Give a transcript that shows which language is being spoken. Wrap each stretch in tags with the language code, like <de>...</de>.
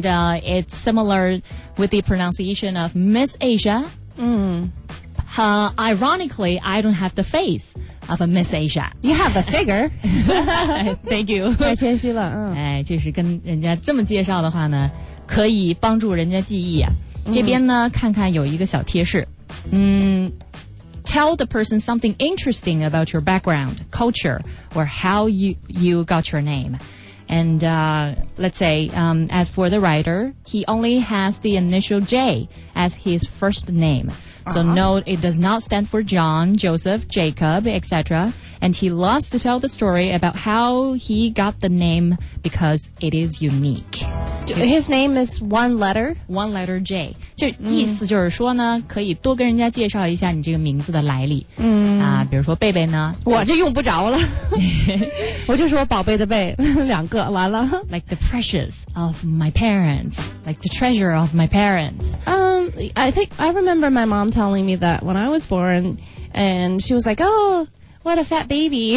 <en>and it's similar with the pronunciation of Miss Asia。嗯， Ironically, I don't have the face of a Miss Asia. You have a figure. Thank you.</en> <zh>太谦虚了。嗯，哎，就是跟人家这么介绍的话呢，可以帮助人家记忆、啊。这边呢、嗯，看看有一个小贴士。</zh> <en>嗯 ，Tell the person something interesting about your background, culture, or how you got your name. And, let's say, as for the writer, he only has the initial J as his first name. So no, it does not stand for John, Joseph, Jacob, etc. And he loves to tell the story about how he got the name because it is unique. His name is one letter? One letter J.</en> <zh>就意思就是说呢、嗯、可以多跟人家介绍一下你这个名字的来历。嗯。啊比如说贝贝呢。我这用不着了。我就说宝贝的贝两个完了。</zh> <en>Like the precious of my parents. Like the treasure of my parents. I remember my mom telling me that when I was born and she was like, oh,What a fat baby.</en>